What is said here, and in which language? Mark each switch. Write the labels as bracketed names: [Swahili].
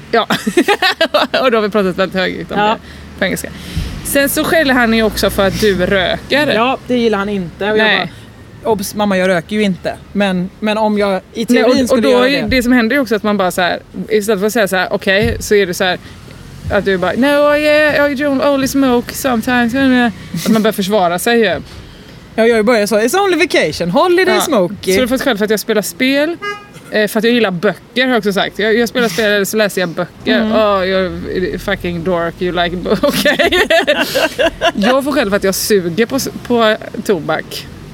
[Swedish] Ja, och då har vi pratat väldigt högt om det på engelska. Sen så skäller han ju också för att du röker. Ja, det gillar han inte. Och nej. Jag bara, obs, mamma, jag röker ju inte. Men om jag i teorin skulle och då göra det... Det som händer ju också att man bara så här... Istället för att säga så här, okej, okay, så är det så här... Att du bara, [English] no, yeah, I don't only smoke sometimes. [Swedish] Att man börjar försvara sig ju. Ja, jag börjar så, [English] it's only vacation, holiday smoke. [Swedish] Så du får skäll för att jag spelar spel... För att jag gillar böcker, har jag också sagt. Jag spelar spel eller så läser jag böcker. Mm. [English] Oh, you're fucking dork, you like books. Okay. [Swedish] Jag får själv att jag suger på tobak.